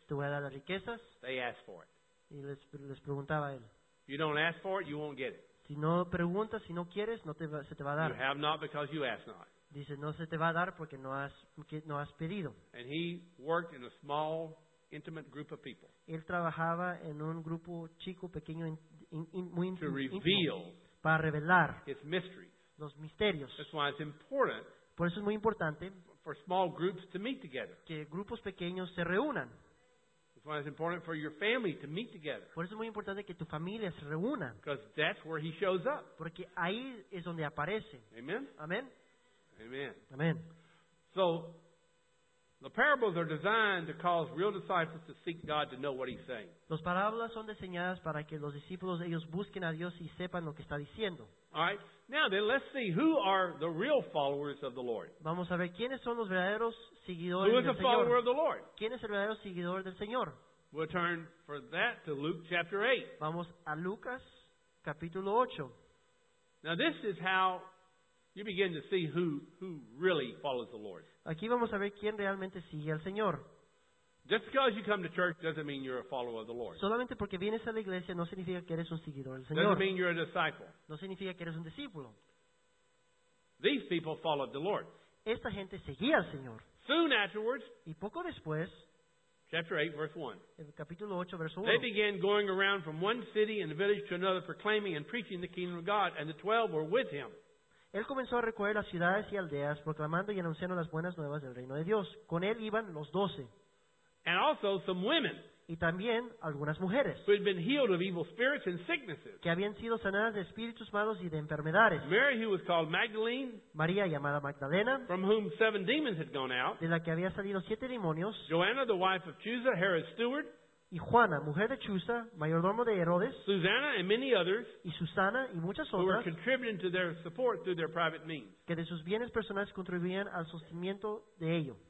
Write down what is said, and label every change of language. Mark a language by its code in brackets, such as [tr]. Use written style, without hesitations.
[es] te voy a dar las riquezas. [en] They asked for it. [es] Y les preguntaba él, [en] you don't ask for it, you won't get it. [es] Si no preguntas, si no quieres, se te va a dar. [en] You have not because you ask not. [es] Dice, no se te va a dar porque no has pedido. [en] And he worked in a small, intimate group of people. [es] Él trabajaba en un grupo chico, pequeño, muy íntimo. [en] To reveal. [es] Para revelar. [en] His mysteries. [es] Los misterios. [en] That's why it's important. [es] Por eso es muy importante. [en] For small groups to meet together. [es] Que grupos pequeños se reúnan. [en] That's why it's important for your family to meet together. [es] Por eso es muy importante que tu familia se reúna. [en] Because that's where he shows up. [es] Porque ahí es donde aparece. [en] Amen. [es] Amen. [en] Amen. So, the parables are designed to cause real disciples to seek God to know what He's saying. [es] Los parábolas son diseñadas para que los discípulos ellos busquen a Dios y sepan lo que está diciendo. [en] All right. Now then, let's see who are the real followers of the Lord. [es] Vamos a ver quiénes son los verdaderos seguidores del [en] Señor. Who is a follower of the Lord? [es] ¿Quién es el verdadero seguidor del Señor? [en] We'll turn for that to Luke chapter 8. [es] Vamos a Lucas capítulo 8. [en] Now this is how you begin to see who really follows the Lord. [es] Aquí vamos a ver quién realmente sigue al Señor. [en] Just because you come to church doesn't mean you're a follower of the Lord. [es] Solamente porque vienes a la iglesia no significa que eres un seguidor del Señor. [en] Doesn't mean you're a disciple. [es] No significa que eres un discípulo. [en] These people followed the Lord. [es] Esta gente seguía al Señor. [en] Soon afterwards, [es] y poco después, [en] chapter 8, verse 1. [es] El capítulo 8, verso 1. [en] They began going around from one city and village to another, proclaiming and preaching the kingdom of God, and the 12 were with him. [es] Él comenzó a recorrer las ciudades y aldeas, proclamando y anunciando las buenas nuevas del reino de Dios. Con él iban los 12. [en] And also some women. [es] Y también algunas mujeres. [en] Who had been healed of evil spirits and sicknesses. [es] Que habían sido sanadas de espíritus malos y de enfermedades. [en] Mary, who was called Magdalene. [es] María, llamada Magdalena. [en] From whom 7 demons had gone out. [es] De la que había salido 7 demonios. [en] Joanna, the wife of Chuza, Herod's steward. [es] Y Juana, mujer de Chuza, mayordomo de Herodes. [en] Susanna and many others. [es] Y Susana y muchas otras. [en] Who were contributing to their support through their private means. [es] Que de sus bienes personales contribuían al sostenimiento de ello.